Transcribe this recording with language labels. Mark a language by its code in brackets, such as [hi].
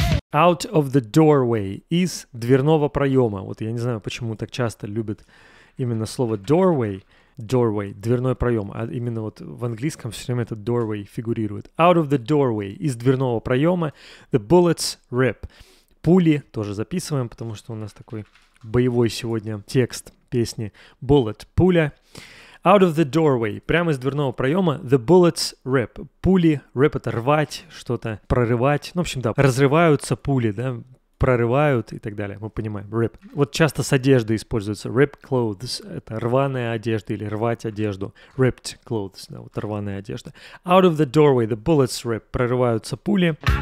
[en] Out of the doorway, [ru] из дверного проема. Вот я не знаю, почему так часто любят именно слово doorway. Doorway, дверной проем. А именно вот в английском все время этот doorway фигурирует. [en] Out of the doorway, [ru] из дверного проема. [en] The bullets rip. [ru] Пули тоже записываем, потому что у нас такой боевой сегодня текст песни. Bullet, пуля. [en] Out of the doorway, [ru] прямо из дверного проема, [en] the bullets rip. [ru] Пули, rip — это рвать что-то, прорывать. Ну, в общем, да, разрываются пули, да, прорывают и так далее, мы понимаем, rip. Вот часто с одеждой используется, [en] rip clothes, [ru] это рваная одежда или рвать одежду, [en] ripped clothes, [ru] да, вот рваная одежда. [en] Out of the doorway, the bullets rip, [ru] прорываются пули.